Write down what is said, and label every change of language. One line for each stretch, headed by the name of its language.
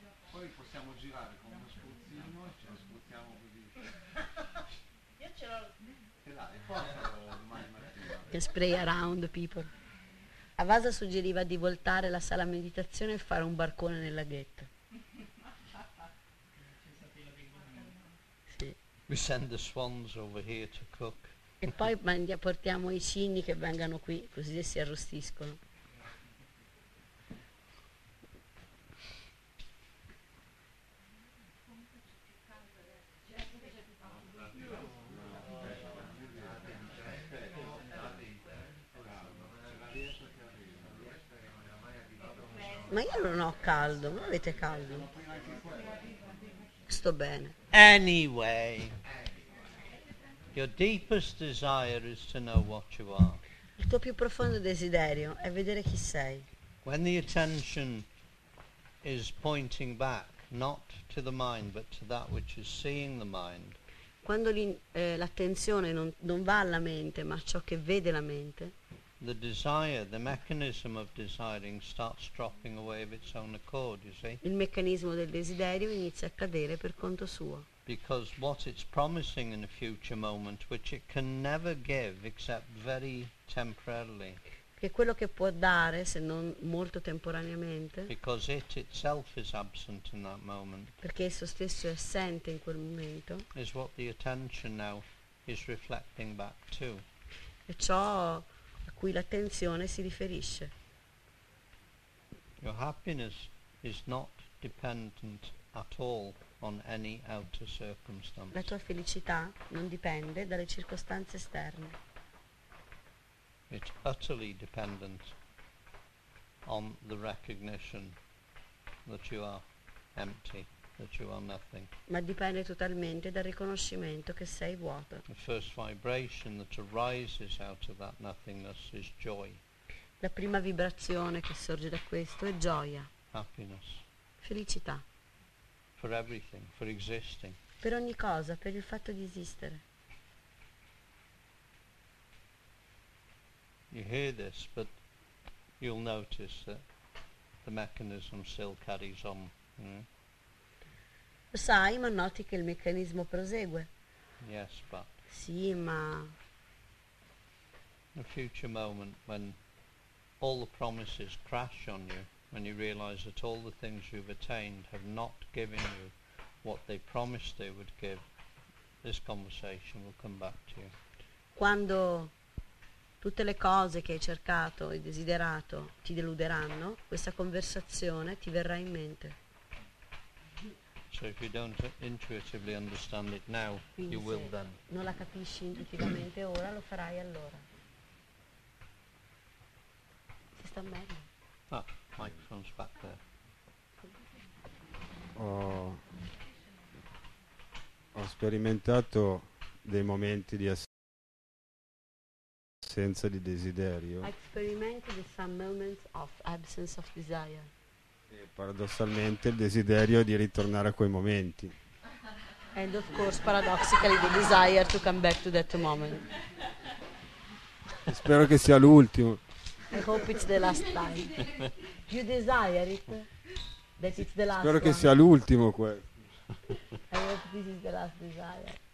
Italian: Poi possiamo girare con uno spruzzino e ce lo spruzziamo così. Io ce l'ho. E domani mattina.
English: Spray around people.
Italian: Avasa suggeriva di voltare la sala meditazione e fare un barcone nel laghetto. Sì.
English: We send the swans over here to cook.
Italian: E poi portiamo i cigni che vengano qui, così si arrostiscono. Ma io non ho caldo, voi avete caldo? Sto bene.
English: Anyway. Your deepest desire is to know what you are.
Italian: Il tuo più profondo desiderio è vedere chi sei.
English: When the attention is pointing back, not to the mind, but to that which is seeing the mind.
Italian: Quando l'attenzione non va alla mente, ma a ciò che vede la mente.
English: The desire, the mechanism of desiring, starts dropping away of its own accord. You see.
Italian: Il meccanismo del desiderio inizia a cadere per conto suo.
English: Because what it's promising in a future moment, which it can never give except very temporarily.
Italian: Che quello che può dare, se non molto temporaneamente.
English: Because it itself is absent in that moment.
Italian: Perché esso stesso è assente in quel momento.
English: Is what the attention now is reflecting back to.
Italian: E ciò a cui l'attenzione si riferisce.
English: Your happiness is not dependent at all. On any outer circumstance.
Italian: La tua felicità non dipende dalle circostanze esterne.
English: It's utterly dependent on the recognition that you are empty, that you are nothing.
Italian: Ma dipende totalmente dal riconoscimento che sei vuoto.
English: The first vibration that arises out of that nothingness is joy.
Italian: La prima vibrazione che sorge da questo è gioia.
English: Happiness.
Italian: Felicità.
English: For everything, for existing.
Italian: Per ogni cosa, per il fatto di esistere.
English: You hear this, but you'll notice that the mechanism still carries on.
Italian: Lo sai, ma noti che il meccanismo prosegue.
English: Yes, but.
Italian: Sì, ma.
English: In a future moment when all the promises crash on you. When you realize that all the things you've attained have not given you what they promised they would give, this conversation will come back to you.
Italian: Quando tutte le cose che hai cercato e desiderato ti deluderanno, questa conversazione ti verrà in mente.
English: So if you don't intuitively understand it now,
Italian: quindi
English: you will then.
Italian: Non la capisci intuitivamente ora, lo farai allora. Si sta meglio.
English: Ah. Microphone's back there.
Italian: Ho sperimentato dei momenti di assenza di desiderio.
English: I experimented some moments of absence of desire.
Italian: E paradossalmente il desiderio di ritornare a quei momenti.
English: And of course, paradoxically, the desire to come back to that moment.
Italian: Spero che sia l'ultimo.
English: I hope it's the last time. You desire it, that it's the last.
Italian: Spero
English: one.
Italian: Che sia l'ultimo questo.
English: I hope this is the last desire.